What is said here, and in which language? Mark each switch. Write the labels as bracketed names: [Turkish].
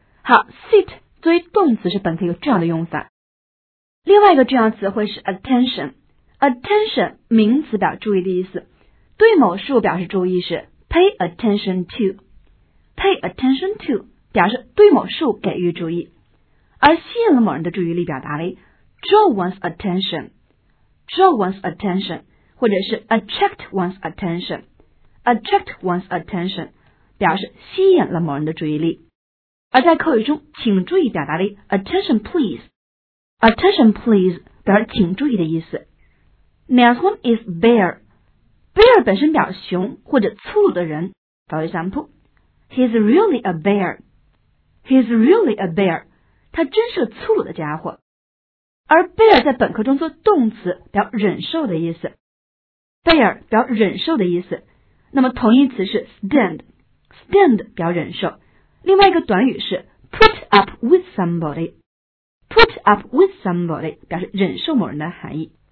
[Chinese] 好， sit 作为动词是本课一个重要的用法。另外一个重要词汇是 attention， attention 名词表注意的意思，对某事物表示注意是 [English] pay attention to， [Chinese] pay attention to 表示对某事物给予注意，而吸引了某人的注意力表达为 [English] draw one's attention， [Chinese] draw one's attention 或者是 [English] attract one's attention， [Chinese] attract one's attention 表示吸引了某人的注意力。而在口语中请注意表达为 [English] attention pleaseAttention please [Chinese] 表示请注意的意思。 Next one is bear， bear 本身表示熊或者粗鲁的人。 [English] For example He's really a bear， He's really a bear， [Chinese] 他真是粗鲁的家伙。而 bear 在本课中做动词表忍受的意思， bear 表忍受的意思。那么同义词是 stand， stand 表忍受。另外一个短语是 [English] put up with somebodyPut up with somebody [Chinese] 表示忍受某人的含义。